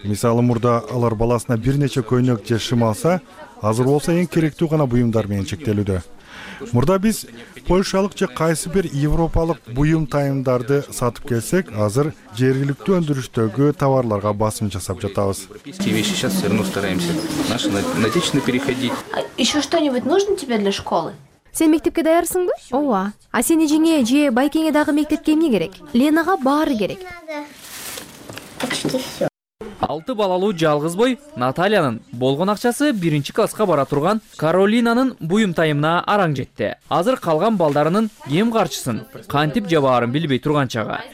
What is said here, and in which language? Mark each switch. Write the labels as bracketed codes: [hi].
[ky] Мисалы, мурда алар баласына бир нече көйнөк же шым алса, азыр болсо эң керектүү гана буюмдар менен чектелүүдө. Мурда биз польшалык же кайсы бир европалык буюм тайымдарды сатып келсек, азыр жергиликтүү өндүрүштөгү товарларга басым жасап жатабыз. [ru] Еще что-нибудь нужно тебе для школы? [ky] Сен мектепке даярсыңбы? Ооба. А сен эжеңе же байкеңе дагы мектепке эмне керек? Ленага баары керек. 6 балалуу жалгыз бой Натальянын болгон акчасы 1-класска бара турган Каролинанын буюм тайымына араң жетти. Азыр калган балдарынын эм каржысын кантип жабаарын билбей турган чагы.